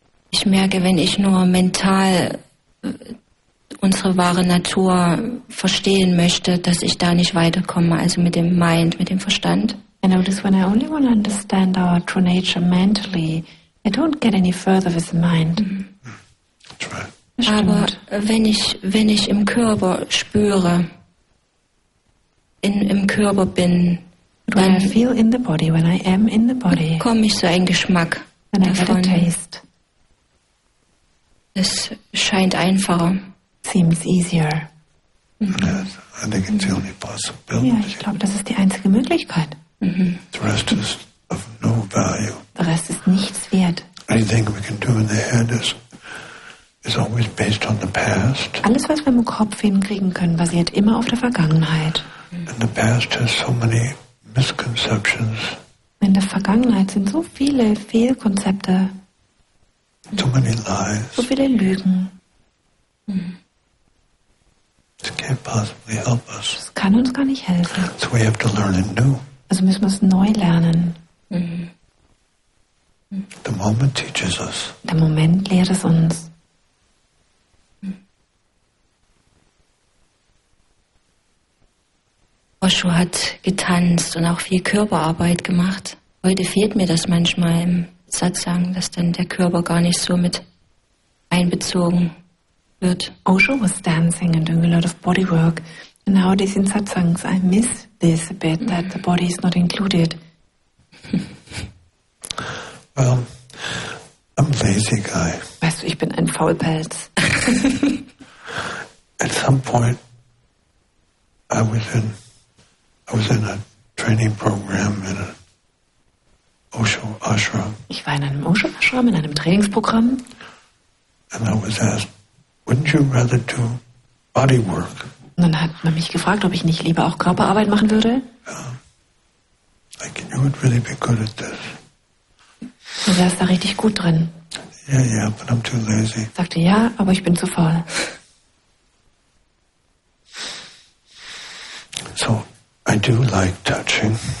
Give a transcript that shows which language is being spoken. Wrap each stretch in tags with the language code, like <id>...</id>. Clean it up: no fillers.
<de>Ich merke, wenn ich nur mental unsere wahre Natur verstehen möchte, dass ich da nicht weiterkomme, also mit dem Mind, mit dem Verstand.</de> <en>I notice when I only want to understand our true nature mentally, I don't get any further with the mind. Mm-hmm.</en> <de>Aber wenn ich im Körper spüre, im Körper bin,</de> <en>when I feel in the body, when I am in the body,</en> <de>bekomme ich so einen Geschmack davon. Es scheint einfacher.</de> <en>Seems easier. Mm-hmm. Yes, I think it's the only possibility.</en> <de>Ja, ich glaube, das ist die einzige Möglichkeit.</de> <en>Mm-hmm. The rest is of no value.</en> <de>Der Rest ist nichts wert.</de> <en>Anything we can do in the head is always based on the past.</en> <de>Alles, was wir im Kopf hinkriegen können, basiert immer auf der Vergangenheit.</de> <en>And the past has so many misconceptions.</en> <de>In der Vergangenheit sind so viele Fehlkonzepte.</de> <en>Too many lies.</en> <de>So viele Lügen.</de> <en>It can't possibly help us.</en> <de>Das kann uns gar nicht helfen.</de> <en>So we have to learn anew.</en> <de>Also müssen wir es neu lernen.</de> <en>The moment teaches us.</en> <de>Der Moment lehrt es uns. Osho hat getanzt und auch viel Körperarbeit gemacht. Heute fehlt mir das manchmal im Satsang, dass dann der Körper gar nicht so mit einbezogen wird.</de> <en>Osho was dancing and doing a lot of body work. And nowadays in Satsangs, I miss this a bit, that the body is not included. Well, I'm a lazy guy.</en> <de>Weißt du, ich bin ein Faulpelz.</de> <en>At some point, I was in a training program in an Osho ashram.</en> <de>Ich war in einem Osho ashram, in einem Trainingsprogramm.</de> <en>And I was asked, wouldn't you rather do body work?</en> <de>Und dann hat man mich gefragt, ob ich nicht lieber auch Körperarbeit machen würde.</de> <en>Yeah. Like, you would really be good at this.</en> <de>Du wärst da richtig gut drin.</de> <en>Yeah, but I'm too lazy.</en> <de>Sagte ja, aber ich bin zu faul.</de> <en>So, I do like touching.</en>